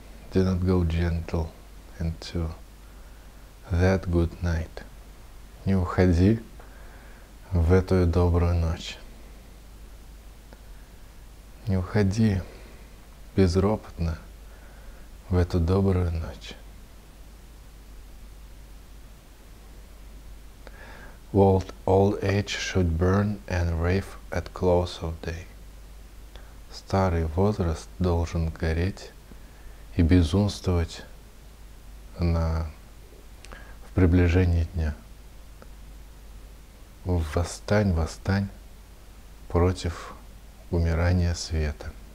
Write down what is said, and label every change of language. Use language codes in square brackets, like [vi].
[en] Do not go gentle into that good night. [ru] Не уходи в эту добрую ночь. Не уходи безропотно в эту добрую ночь. [en] Old age should burn and rave at close of day. [ru] Старый возраст должен гореть и безумствовать в приближении дня. Восстань, восстань против умирание света.